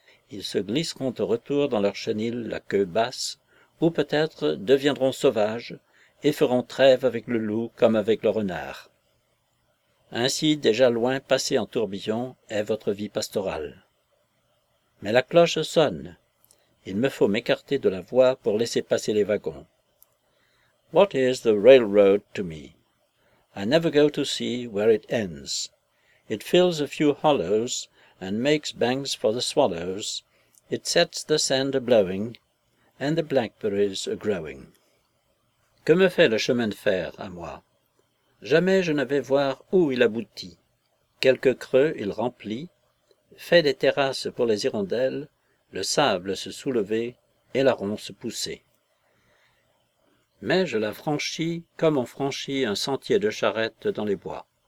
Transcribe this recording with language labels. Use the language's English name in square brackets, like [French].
[French] Ils se glisseront au retour dans leur chenil la queue basse, ou peut-être deviendront sauvages et feront trêve avec le loup comme avec le renard. Ainsi, déjà loin, passé en tourbillon, est votre vie pastorale. Mais la cloche sonne. Il me faut m'écarter de la voie pour laisser passer les wagons. [English] What is the railroad to me? I never go to see where it ends. It fills a few hollows and makes banks for the swallows. It sets the sand a-blowing and the blackberries a-growing. [French] Que me fait le chemin de fer à moi? Jamais je ne vais voir où il aboutit. Quelques creux il remplit, fait des terrasses pour les hirondelles, le sable se soulever et la ronce pousser. Mais je la franchis comme on franchit un sentier de charrette dans les bois.